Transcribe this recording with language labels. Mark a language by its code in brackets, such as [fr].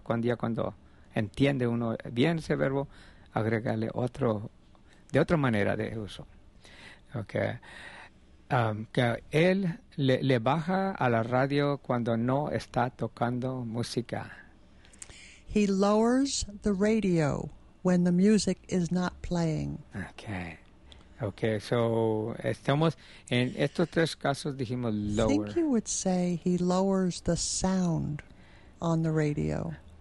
[es] Cuando entiende uno bien ese verbo, agregarle otro, de otra manera de uso. Okay. Que él le baja a la radio cuando no está tocando música. [en] He lowers the radio when the music is not playing. [es] Okay, so estamos en estos tres casos dijimos lower. [en] I think you would say he lowers the sound on the radio.